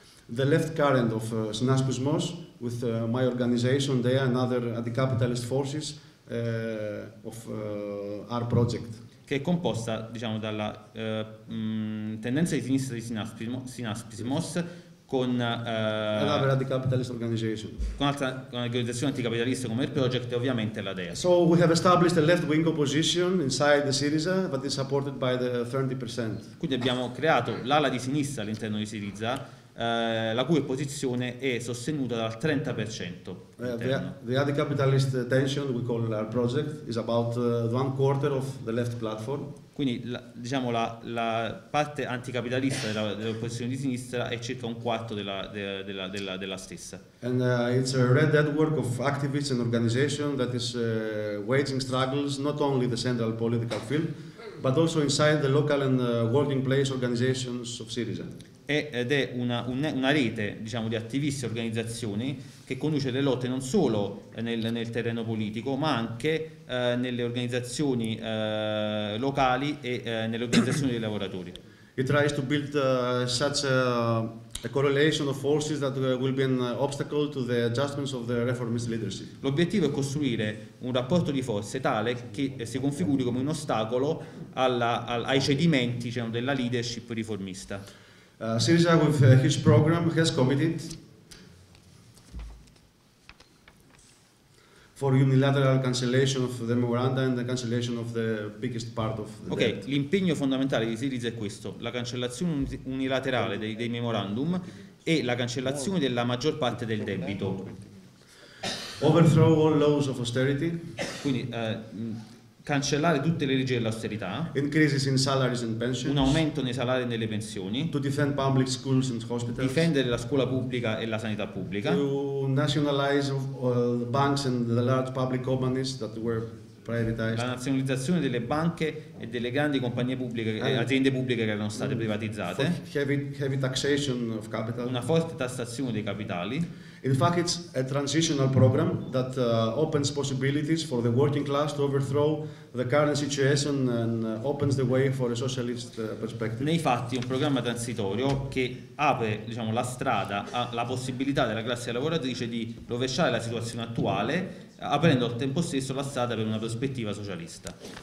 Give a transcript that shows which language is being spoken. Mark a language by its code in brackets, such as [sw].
[en] The left current of Synaspismos, with my organization, DEA, and other anti-capitalist forces of our project. [it] Che è composta, diciamo, dalla tendenza di sinistra di Synaspismos [en] Another anti-capitalist organization. [it] con un'organizzazione anticapitalista come il Project e ovviamente la DEA. [en] So we have established a left-wing opposition inside the Syriza, but it's supported by the 30%. [it] Quindi abbiamo creato l'ala di sinistra all'interno di Syriza, la cui opposizione è sostenuta dal 30% all'interno. [en] The anti-capitalist tension we call our project is about one quarter of the left platform. [it] Quindi diciamo, la parte anticapitalista dell'opposizione di sinistra è circa un quarto della stessa. [en] And it's a red network of activists and organizations that is waging struggles not only in the central political field, but also inside the local and working place organizations of Syriza. [it] Ed è una rete, diciamo, di attivisti e organizzazioni che conduce le lotte non solo nel terreno politico, ma anche nelle organizzazioni locali e nelle organizzazioni dei lavoratori. [en] It tries to build such a correlation of forces that will be an obstacle to the adjustments of the reformist leadership. [it] L'obiettivo è costruire un rapporto di forze tale che si configuri come un ostacolo ai cedimenti, diciamo, della leadership riformista. [en] Syriza, with his program, has committed for unilateral cancellation of the memoranda and the cancellation of the biggest part of the debt. [it] Ok, l'impegno fondamentale di Syriza è questo, la cancellazione unilaterale dei memorandum e la cancellazione della maggior parte del debito. [en] Overthrow all laws of austerity. [it] Quindi cancellare tutte le leggi dell'austerità, un [en] Increases in salaries and pensions. [it] aumento nei salari e nelle pensioni, [en] To defend public schools and hospitals. [it] difendere la scuola pubblica e la sanità pubblica. [en] To nationalize the banks and the large public companies that were privatized. [it] La nazionalizzazione delle banche e delle grandi compagnie pubbliche, aziende pubbliche che erano state [en] For [it] privatizzate, [en] heavy taxation of [it] una [en] capital. [it] forte tassazione dei capitali. [en] In fact, it's a transitional program that opens possibilities for the working class to overthrow the current situation and opens the way for a socialist perspective. [it] Nei fatti, un programma transitorio che apre, diciamo, la strada alla possibilità della classe lavoratrice di rovesciare la situazione attuale, aprendo al tempo stesso la strada per una prospettiva socialista.